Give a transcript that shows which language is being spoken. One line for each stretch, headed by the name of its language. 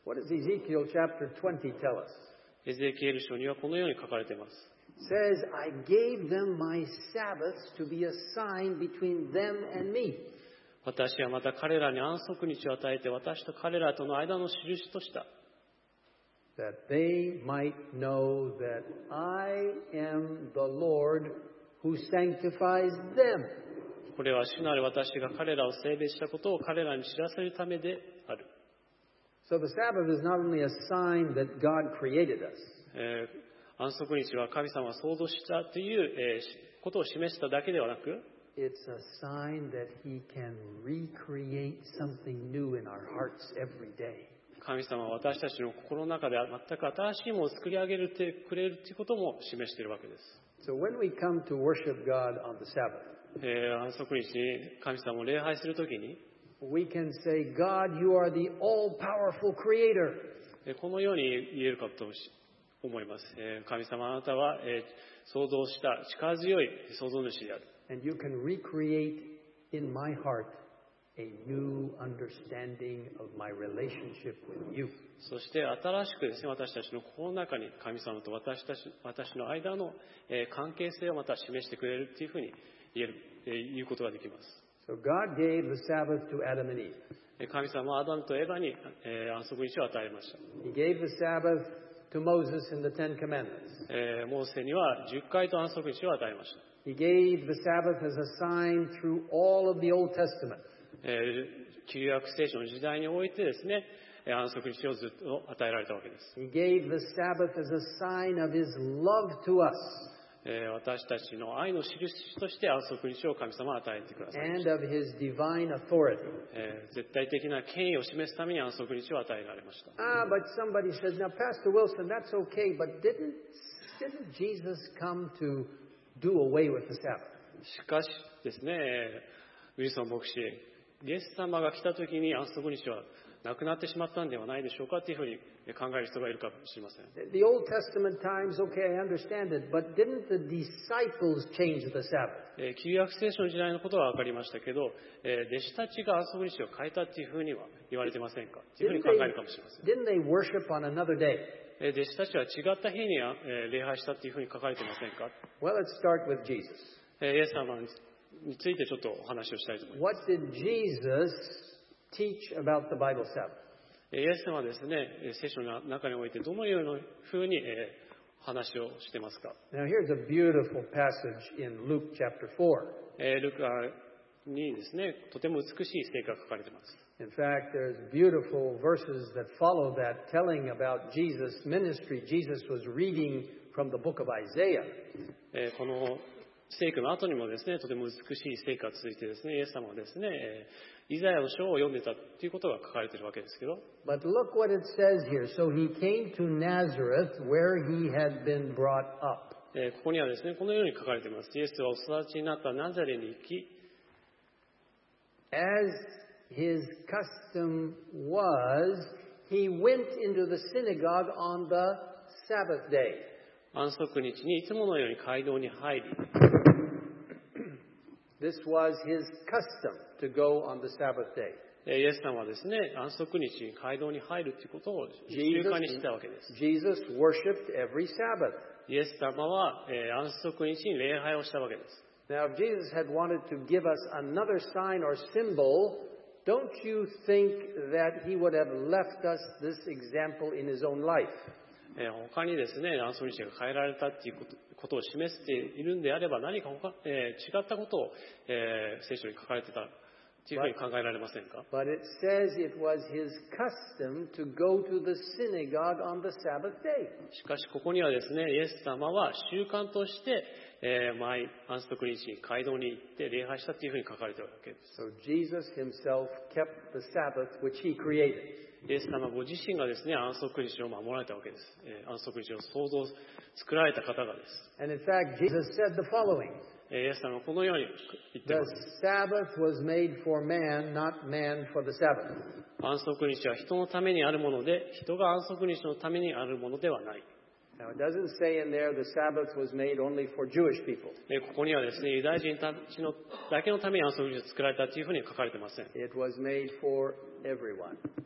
English: What does Ezekiel chapter 20 tell us?
Japanese: エゼキエル書にはこのように書かれています。
English: Says, I gave them my Sabbaths to be a sign between them and me.
Japanese: 私はまた彼らに安息日を与えて私と彼らとの間の印とした。
English: That they might know that I am the Lord who sanctifies them.
Japanese: これは主なる私が彼らを聖別したことを彼らに知らせるためである。
English: So the Sabbath is not only a sign that God created us.
Japanese: 安息日は神様が創造したという、ことを示しただけではなく、
English: It's a sign that He can recreate something new in our hearts every day.
Japanese: 神様は私たちの心の中で全く新しいものを作り上げてくれるということも示しているわけです。
English: So when we come to worship God on the Sabbath,
Japanese: 安息日に神様を礼拝するときに、
English: We can say, God, you are the all-powerful creator.
Japanese: このように言えるかと思います。神様、あなたは創造した力強い創造主である。
English: And you can recreate in my heart a new understanding of my relationship with you.
Japanese: そして新しくですね、私たちの心の中に神様と私の間の関係性をまた示してくれるというふうに言うことができます。
English: So God gave the Sabbath to Adam and Eve.
Japanese: 神様はアダムとエヴァに安息日を与えました。
English: He gave the Sabbath to Moses in the Ten Commandments.
Japanese: モーセには十戒と安息日を与えました。
English: He gave the Sabbath as a sign through all of the Old Testament.
Japanese: 旧約聖書の時代においてですね、安息日をずっと与えられたわけです。
English: He gave the Sabbath as a sign of His love to us.
Japanese: 私たちの愛の印として安息日を神様は与えてくださいました。
English: And of His divine authority.
Japanese: 絶対的な権威を示すために安息日を与えられました。
English: Ah, but somebody says, now Pastor Wilson, that's okay, but didn't Jesus come to do away with the Sabbath?
Japanese: しかしですね、ウィルソン牧師、イエス様が来た時に安息日はなくなってしまったんではないでしょうかというふうに考える人がいるかもしれません。
English: The Old Testament times, okay, I understand it, but didn't the disciples change the Sabbath?
Japanese: 旧約聖書の時代のことは分かりましたけど、弟子たちが安息日を変えたというふうには言われていませんかというふうに考えるかもしれません。
English: Didn't they worship on another day?
Japanese: 弟子たちは違った日に礼拝したというふうに書かれていませんか
English: Well, let's start with Jesus.
Japanese: イエス様についてちょっとお話をしたいと思います。
English: What did Jesus teach about the Bible Sabbath?
Japanese: イエス様はですね、聖書の中においてどのようなふうに話をしていますか。
English: Now here's a beautiful passage in Luke chapter 4.
Japanese: ルカにですね、とても美しい聖句が書かれています。
English: In fact, there's beautiful verses that follow that telling about Jesus' ministry. Jesus was reading from the book of Isaiah.
Japanese: この聖句の後にもですね、とても美しい聖句が続いてですね、イエス様はですね、イザヤの書を読んでたということが書かれているわけですけど。
English: But look what it says here. So he came to Nazareth where he had been brought up.
Japanese: ここにはですね、このように書かれています。イエスはお育ちになったナザレに行き、
English: As his custom was, he went into the synagogue on the Sabbath day.
Japanese: 安息日にいつものように会堂に入り、
English: This was his custom to go on the Sabbath day.
Japanese: イエス様はですね、安息日に会堂に入るということを習慣にしたわけです。
English: Jesus worshipped every Sabbath.
Japanese: イエス様は安息日に礼拝をしたわけです。
English: Now, if Jesus had wanted to give us another sign or symbol, don't you think that he would have left us this example in his own life?
Japanese: 他にですね、安息日が変えられたということを示しているんであれば、何か他、違ったことを、聖書に書かれていたというふうに考えられませんか
English: But it says it was his custom to go to the synagogue on the Sabbath day.
Japanese: しかし、ここにはですね、イエス様は習慣として、毎安息日に会堂に行って礼拝したというふうに書かれているわけです。
English: So Jesus himself kept the Sabbath which he created.
Japanese: イエス様ご自身がですね、安息日を守られたわけです。安息日を創造、作られた方がです。
English: And in fact, Jesus said the following.
Japanese: イエス様はこのように言っています。
English: The Sabbath was made for man, not man for the Sabbath.
Japanese: 安息日は人のためにあるもので、人が安息日のためにあるものではない。
English: Now it doesn't say in there the Sabbath was made only for Jewish people.
Japanese: ここにはですね、ユダヤ人たちのだけのために安息日を作られたというふうに書かれていません。
English: It was made for everyone.